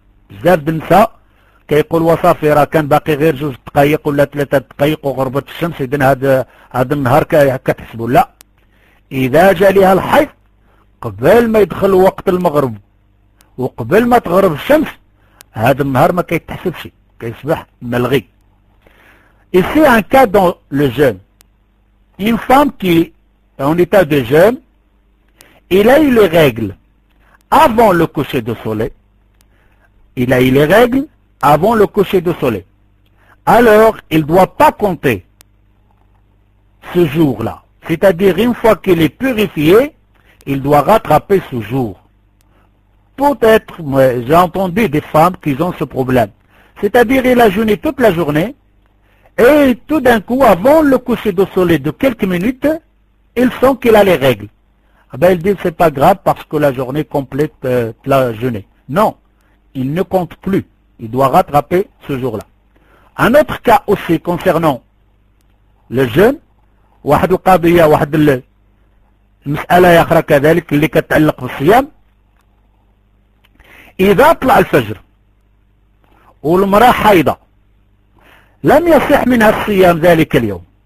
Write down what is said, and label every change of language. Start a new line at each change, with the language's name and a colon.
Arabic: بزاف النساء كيقول وصافي راه كان باقي غير 2 دقائق ولا 3 دقائق وغربت الشمس، إذن هذا النهار كتحسبو. لا، إذا جاليها الحيض قبل ما يدخل وقت المغرب وقبل ما تغرب الشمس، هذا النهار ما كيتحسبش، كيصبح ملغي.
French: ici un cas dans le jeûne. Une femme qui est en état de jeûne, il a eu les règles avant le coucher de soleil. Il a eu les règles avant le coucher de soleil. Alors, il ne doit pas compter ce jour-là. C'est-à-dire, une fois qu'il est purifié, il doit rattraper ce jour. Peut-être, j'ai entendu des femmes qui ont ce problème. C'est-à-dire, il a jeûné toute la journée, et tout d'un coup, avant le coucher de soleil de quelques minutes, il sent qu'il a les règles. Eh bien, il dit, c'est pas grave parce que la journée complète la jeûner. Non, il ne compte plus. Il doit rattraper ce jour-là. Un autre cas aussi concernant le jeûne,
Arabic: وَحَدُ قَضِيَّ وَحَدُ الْمِسْأَلَ يَخْرَ كَذَلِكَ اللي كتعلق بالصيام. إذا طلع الفجر والمرأة حيضة لم يصح منها الصيام ذلك اليوم.